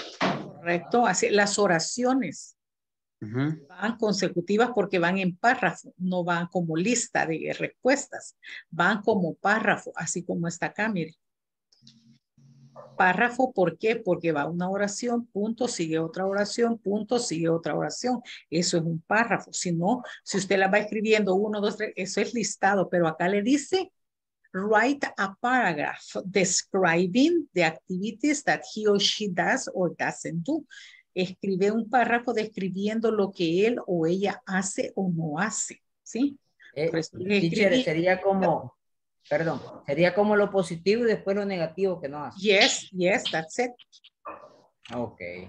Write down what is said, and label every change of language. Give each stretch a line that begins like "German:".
Spanish: Correcto, así las oraciones van consecutivas porque van en párrafo, no van como lista de respuestas, van como párrafo, así como está acá, mire. Párrafo, ¿por qué? Porque va una oración, punto, sigue otra oración, punto, sigue otra oración. Eso es un párrafo. Si no, si usted la va escribiendo, uno, dos, tres, eso es listado. Pero acá le dice,
English: write a paragraph describing the activities that he or she does or doesn't do.
Spanish: Escribe un párrafo describiendo lo que él o ella hace o no hace. ¿Sí? Sería como... Perdón, sería como lo positivo y después lo negativo que no hace.
English: Yes, yes, that's it. Ok.